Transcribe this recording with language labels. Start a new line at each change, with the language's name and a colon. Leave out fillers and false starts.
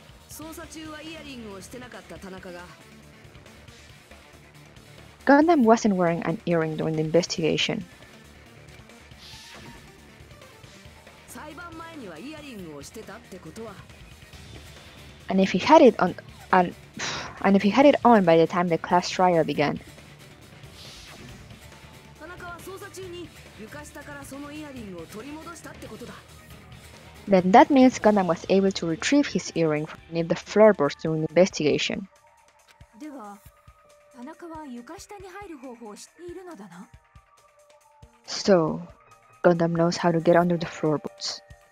Japanese: 捜査中はイヤリングをしてなかった田中が。
English: Gundam wasn't wearing an earring during the investigation.
Japanese: 裁判前にはイヤリングをしてたってことは。
English: And if he had it on, and if he had it on by the time the class trial began.
Japanese: 田中は捜査中に床下からそのイヤリングを取り戻したってことだ。
English: Then that means Gundam was able to retrieve his earring from beneath the floorboards during the investigation.
Japanese: では、田中は床下に入る方法を知っているのだな?
English: So, Gundam knows how to get under the floorboards.